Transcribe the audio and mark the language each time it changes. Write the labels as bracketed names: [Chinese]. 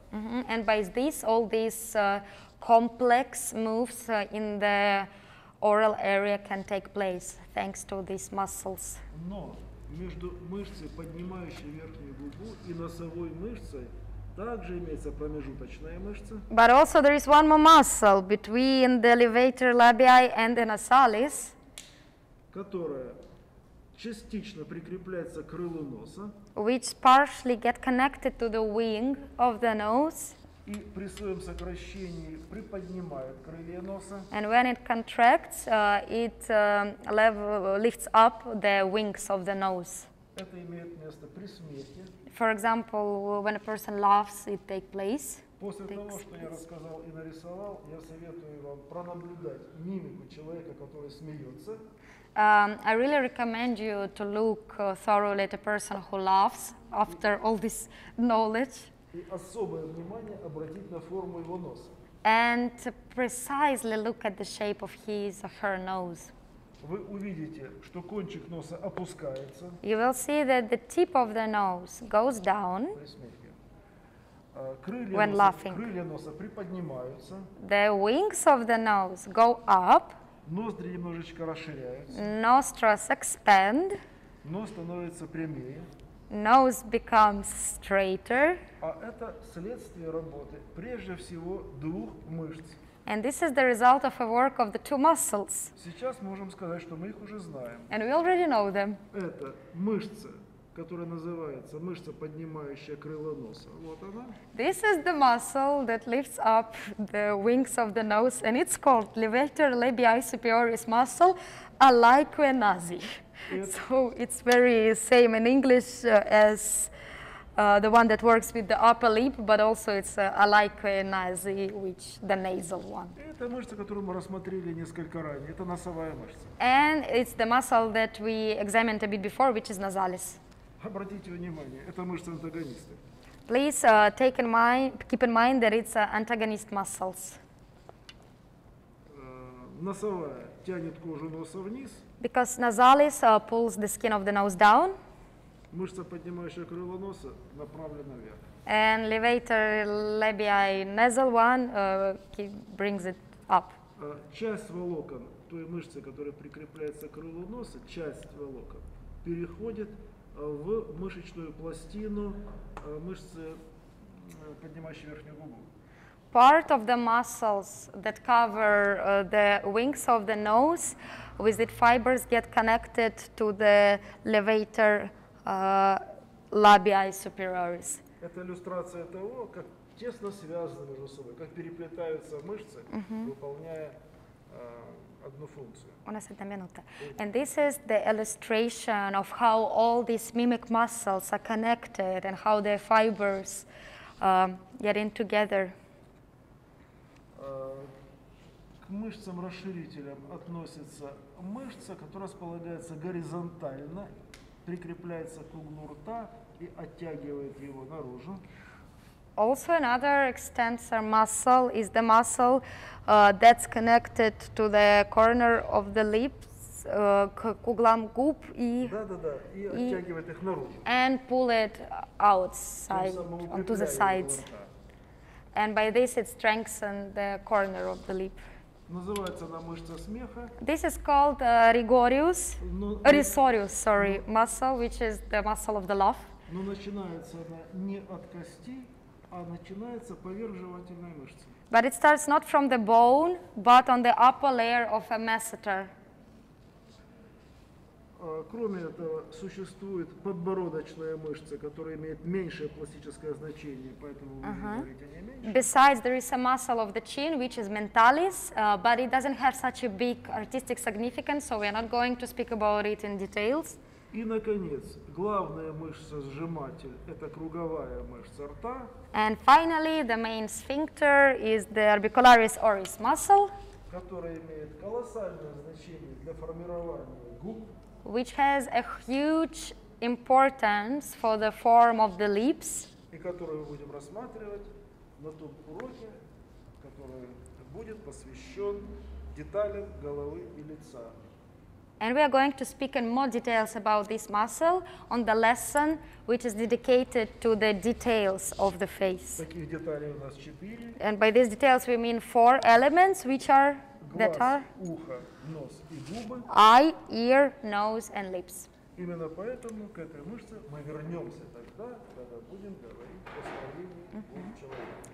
[English] And by this, all these complex moves in the oral area can take place thanks to these muscles. [Russian] Но между мышцей, поднимающей верхнюю губу, и носовой мышцей также имеется промежуточная мышца. [English] But also there is one more muscle between the levator labii and the nasalis, [Russian] которая частично прикрепляется к крылу носа, [English] which partially get connected to the wing of the nose. [Russian] И при своем сокращении приподнимает крылья носа. [English] And when it contracts, it lifts up the wings of the nose. [Russian] Это имеет место при смехе. [English] For example, when a person laughs, it takes place. [Russian] После того, что я рассказал и нарисовал, я советую вам пронаблюдать мимику человека, который смеется. [English] I really recommend you to look thoroughly at a person who laughs after all this knowledge. [Russian] И особое внимание обратить на форму его носа. [English] And precisely look at the shape of his or her nose. [Russian] Вы увидите, что кончик носа опускается. [English] You will see that the tip of the nose goes down. [Russian] При смехе. Крылья носа приподнимаются. [English] The wings of the nose go up. [Russian] Ноздри немножечко расширяются. [English] Nostrils expand. [Russian] Нос становится прямее. [English] Nose becomes straighter. [Russian] А это следствие работы прежде всего двух мышц. [English] And this is the result of a work of the two muscles. [Russian] Сейчас можем сказать, что мы их уже знаем. [English] And we already know them. [Russian] Это мышца, которая называется мышца, поднимающая крыло носа. Вот она. [English] This is the muscle that lifts up the wings of the nose, and it's called levator labii superioris muscle, alaique nasi. So it's very same in English as the one that works with the upper lip, but also it's alaique nasi, which the nasal one. [Russian] Это мышца, которую мы рассмотрели несколько ранее. Это носовая мышца. [English] And it's the muscle that we examined a bit before, which is nasalis. [Russian] Обратите внимание, это мышца антагониста. [English] Please keep in mind that it's antagonist muscles. [Russian] Носовая тянет кожу носа вниз. [English] Because nasalis pulls the skin of the nose down. [Russian] Мышца, поднимающая крыло носа, направлена вверх. [English] And levator labii nasal one brings it up. [Russian] Часть волокон той мышцы, которая прикрепляется к крылу носа, часть волокон переходит в мышечную пластину мышцы, поднимающей верхнюю губу. [English] part of the muscles that cover the wings of the nose, with the fibers get connected to the levator labii superioris. [Russian] Это иллюстрация того, как тесно связаны между собой, как переплетаются мышцы, выполняя одну функцию. Una seta minuta. [English] And this is the illustration of how all these mimic muscles are connected and how their fibers get in together. [Russian] К мышцам-расширителям относится мышца, которая располагается горизонтально, прикрепляется к углу рта и оттягивает его наружу. [English] Also another extensor muscle is the muscle that's connected to the corner of the lips, [Russian] к углам губ и, и оттягивает их наружу. [English] And pull it outside, onto the sides. And by this it strengthens the corner of the lip. [Russian] Называется она мышца смеха. [English] This is called rigorous, risorius, sorry, muscle, which is the muscle of the laugh. [Russian] Но начинается она не от кости, а начинается поверх жевательной мышцы. [English] But it starts not from the bone, but on the upper layer of a masseter. [Russian] Кроме этого, существует подбородочная мышца, которая имеет меньшее пластическое значение, поэтому вы говорите о ней меньше. [English] Besides, there is a muscle of the chin, which is mentalis, but it doesn't have such a big artistic significance, so we are not going to speak about it in details. [Russian] И, наконец, главная мышца-сжиматель – это круговая мышца рта. [English] And finally, the main sphincter is the orbicularis oris muscle, [Russian] которая имеет колоссальное значение для формирования губ, [English] which has a huge importance for the form of the lips, [Russian] и которую мы будем рассматривать на том уроке, который будет посвящен деталям головы и лица. [English] And we are going to speak in more details about this muscle on the lesson, which is dedicated to the details of the face. [Russian] Таких деталей у нас четыре. [English] And by these details we mean four elements, which are, [Russian] глаз, [English] that are [Russian] ухо, нос и губы, [English] eye, ear, nose and lips. [Russian] Именно поэтому к этой мышце мы вернемся тогда, когда будем говорить о строении человека.